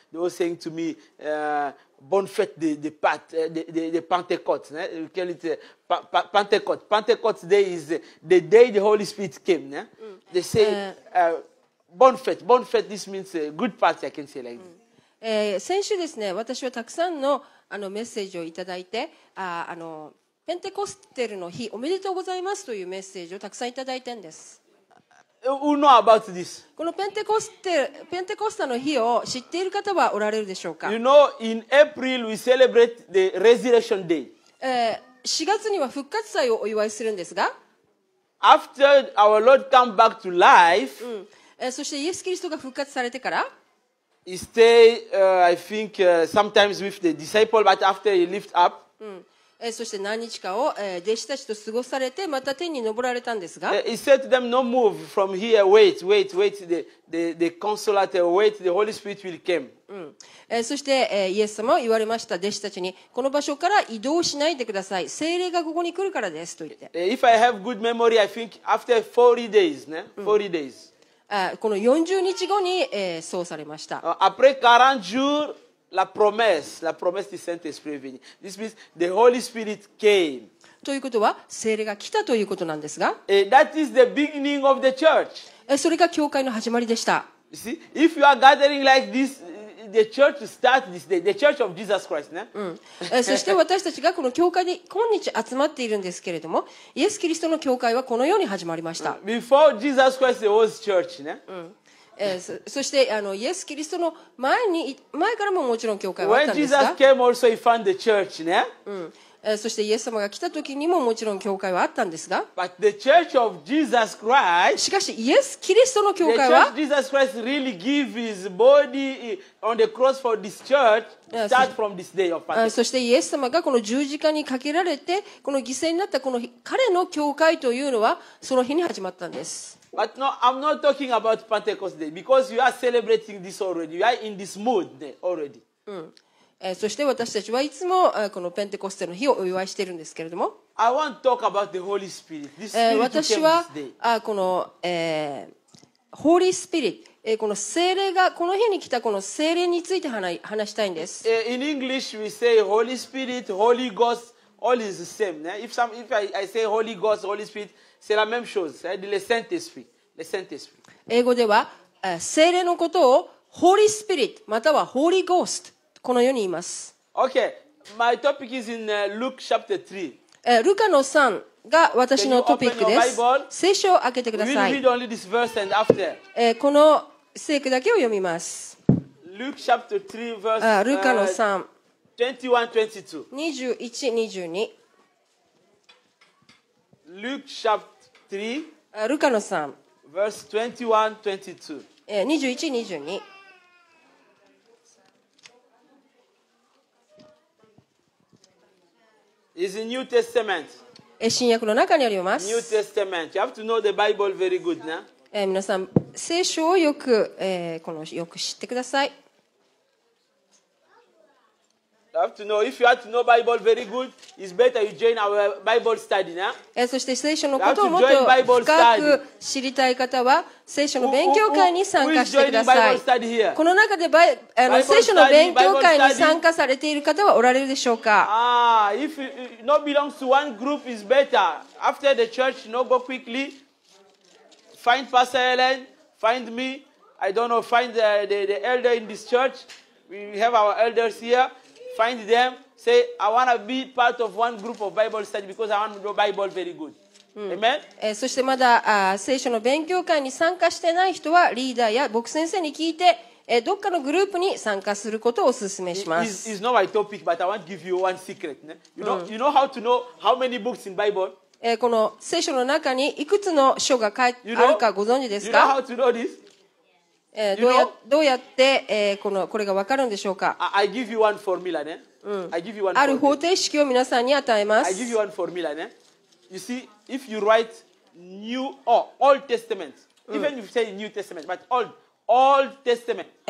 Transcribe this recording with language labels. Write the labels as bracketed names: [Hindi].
[English] They were saying to me, [French] bonne fête de Pentecôte. [English] We call it Pentecôte. Pentecôte Day is the day the Holy Spirit came. Né? They say, [French] bonne fête. Bonne fête, [English] this means a good party, I can say like this. [Japanese] 先週ですね、私はたくさん のメッセージをいただいて、ペンテコステルの日おめでとうございますというメッセージをたくさんいただいてんです。 [English] Who know about this? [Japanese] このペンテコスタの日を知っている方はおられるでしょうか。 [English] You know, in April we celebrate the Resurrection Day. [Japanese] 4月には復活祭をお祝いするんですが、 [English] After our Lord come back to life、 [Japanese] そしてイエス・キリストが復活されてから、 [English] He stay, I think, sometimes with the disciple, but after he lift up. [Japanese] そして何日かを弟子たちと過ごされて、また天に昇られたんですが。 [English] He said to them, no move from here, wait, the consolator, wait, the Holy Spirit will come. [Japanese] そして、イエス様は言われました、弟子たちに、この場所から移動しないでください、聖霊がここに来るからですと言って。 [English] If I have good memory, I think after 40 days, ね、40 days. [Japanese] この40日後に、そうされました。 [French] Après 40 jours, la promesse du Saint-Esprit vient. [English] This means the Holy Spirit came. [Japanese] ということは、聖霊が来たということなんですが。 [English] That is the beginning of the church. [Japanese] それが教会の始まりでした。 [English] You see, if you are gathering like this, the church starts this day, the church of Jesus Christ, ね。 [Japanese] そして私たちがこの教会に今日集まっているんですけれども、イエス・キリストの教会はこのように始まりました。 [English] Before Jesus Christ, there was church, ね。 [Japanese] そしてイエス・キリストの前からももちろん教会はあったんですが、 [English] When Jesus came, also he found the church, ね。 [Japanese] そしてイエス様が来た時にももちろん教会はあったんですが、 [English] But the church of Jesus Christ, [Japanese] しかしイエス・キリストの教会は、 [English] Jesus Christ really gave his body on the cross for this church, start from this day of Pentecost. [Japanese] そしてイエス様がこの十字架にかけられて、この犠牲になったこの彼の教会というのは、その日に始まったんです。 [English] But no, I'm not talking about Pentecost Day, because you are celebrating this already, you are in this mood already. [Japanese] そして私たちはいつもこのペンテコステの日をお祝いしているんですけれども、私はこのホーリースピリット、この聖霊がこの日に来たこの聖霊について話したいんです。 [English] In English we say Holy Spirit, Holy Ghost, all is the same, ね? If I say Holy Ghost, Holy Spirit, [French] c'est la même chose, le Saint-Esprit, le Saint-Esprit. [Japanese] 英語では聖霊のことをホーリースピリットまたはホーリーゴーストこのように言います。 [English] Okay, my topic is in Luke chapter 3. [Japanese] ルカの3が私のトピックです。聖書を開けてください。 [English] We'll read only this verse and after. [Japanese] この聖句だけを読みます。 [English] Luke chapter 3 verse. [Japanese] ルカの3。 21-22。 21-22。 [English] Luke chapter 3. [Japanese] ルカノさん。 [English] Verse 21-22. 21-22. Is the New Testament. [Japanese] 新約の中にあります。 [English] New Testament. You have to know the Bible very good, ね。 [Japanese] 皆さん、聖書をよく、このよく知ってください。 [English] You have to know. If you have to know Bible very good, it's better you join our Bible study, ね。 [Japanese] そして聖書のことをもっと深く知りたい方は、聖書の勉強会に参加してください。 [English] Who is joining Bible study here? [Japanese] この中で聖書の勉強会に参加されている方はおられるでしょうか。 [English] If you not belong to one group, it's better. After the church, you know, go quickly. Find Pastor Ellen. Find me. I don't know. Find the elder in this church. We have our elders here. Find them. Say, I want to be part of one group of Bible study because I want to know Bible very good. Amen. [Japanese] そしてまだ聖書の勉強会に参加してない人はリーダーや牧師先生に聞いて、どっかのグループに参加することをお勧めします。 [English] It's not my topic, but I want to give you one secret. You know how to know how many books in Bible? [Japanese] この聖書の中にいくつの書が書いてあるかご存知ですか? [English] You know how to know this? [Japanese] どうやって、これが分かるんでしょうか。 [English] I give you one formula, ね。 [Japanese] ある方程式を皆さんに与えます。 [English] I give you one formula, ね。You see, if you write New or Old Testament, even if you say New Testament, but Old Testament,